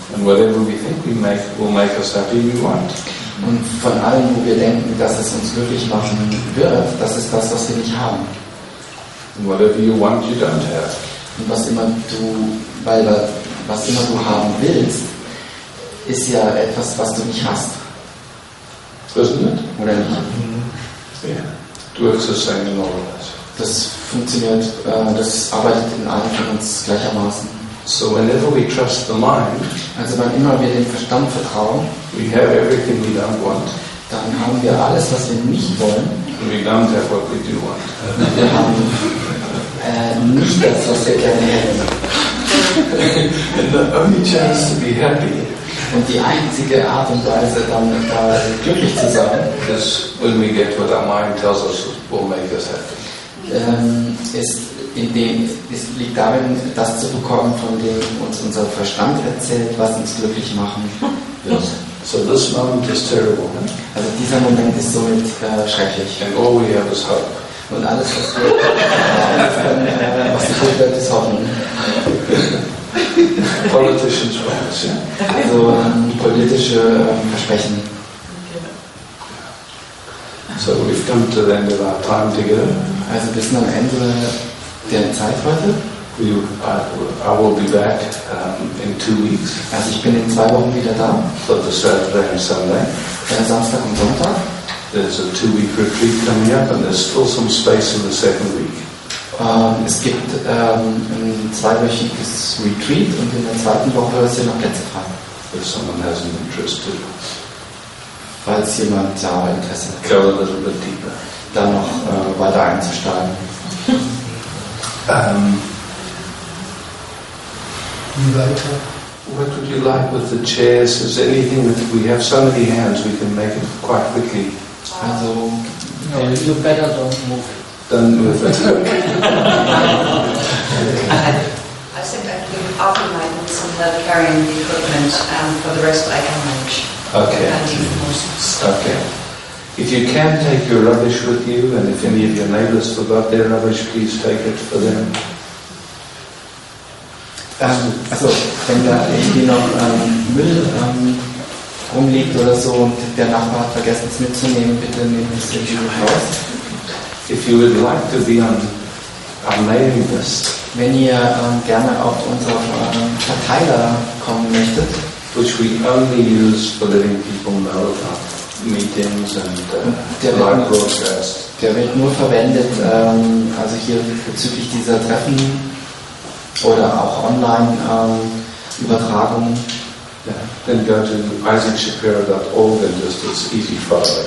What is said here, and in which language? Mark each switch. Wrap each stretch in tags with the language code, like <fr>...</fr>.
<en>And whatever we think we make will make us happy, we want.</en> <de>Und von allem, wo wir denken, dass es uns glücklich machen wird, das ist das, was wir nicht haben.</de> <en>And whatever you want, you don't have.</en> <de>Und was immer du haben willst, ist ja etwas, was du nicht hast.</de> <en>Isn't it?</en> <de>Oder nicht? Mm-hmm.</de> <en>Yeah. It works the same in all of us.</en> <de>Das funktioniert, das arbeitet in allen von uns gleichermaßen.</de> <en>So whenever we trust the mind,</en> <de>also wenn immer wir dem Verstand vertrauen,</de> <en>we have everything we don't want.</en> <de>Dann haben wir alles, was wir nicht wollen.</de> <en>And we don't have what we do want.</en> <de>Wir haben nicht das, was wir gerne hätten.</de> <en>And the only chance to be happy.</en> <de>Und die einzige Art und Weise, dann da glücklich zu sein,</de> <en>is when we get what our mind tells us will make us happy.</en> <de>Es liegt darin, das zu bekommen, von dem uns unser Verstand erzählt, was uns glücklich machen wird.</de> <en>So this moment is terrible, huh?</en> <de>Also dieser Moment ist somit schrecklich.</de> <en>And all we have is hope.</en> <de>Und alles, was wir tun wird, ist hoffen.</de> <en>Politicians promise, yeah?</en> <de>Also politische Versprechen.</de> <en>So we've come to the end of our time together.</en> <de>Also bis am Ende der Zeit heute.</de> <en>I will be back in 2 weeks.</en> <de>Also ich bin in 2 Wochen wieder da.</de> <en>So the Saturday and Sunday.</en> <de>Der Samstag und Sonntag.</de> <en>There's a 2 week retreat coming up and there's still some space in the 2nd week.</en> <de>Es gibt ein 2-wöchiges Retreat und in der 2. Woche ist ja noch Plätze frei.</de> <en>If someone has an interest to.</en> <de>Falls jemand da Interesse hat.</de> <en>Go a little bit deeper.</en> <de>Dann noch weiter einzusteigen.</de> <en>What would you like with the chairs? Is there anything that we have so many hands we can make it quite quickly? Also, no, you better don't move. Don't move it. I said that you often might need some help carrying the equipment, and for the rest I can manage. Okay. Okay. If you can take your rubbish with you, and if any of your neighbors forgot their rubbish, please take it for them.</en> <de>Wenn da irgendwie noch Müll rumliegt oder so und der Nachbar hat vergessen, es mitzunehmen, bitte nehmen Sie es mit raus.</de> <en>If you would like to be on our mailing list,</en> <de>wenn ihr gerne auf unseren Verteiler kommen möchtet,</de> <en>which we only use for letting people know about meetings and live broadcast.</en> <de>Der wird nur verwendet, also hier bezüglich dieser Treffen oder auch online Übertragungen.</de> <en>Yeah. Then go to isaacshapiro.org and just it's easy for us.</en>